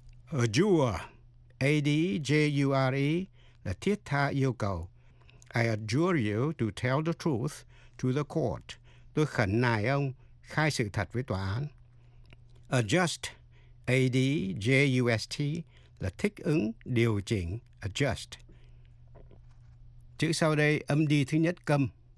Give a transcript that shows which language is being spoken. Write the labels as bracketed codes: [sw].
[vi] Adjure, A-D-J-U-R-E, là thiết tha yêu cầu. [en] I adjure you to tell the truth to the court. [vi] Tôi khẩn nài ông khai sự thật với tòa án. Adjust, A-D-J-U-S-T, là thích ứng, điều chỉnh, adjust. Chữ sau đây âm đi thứ nhất câm.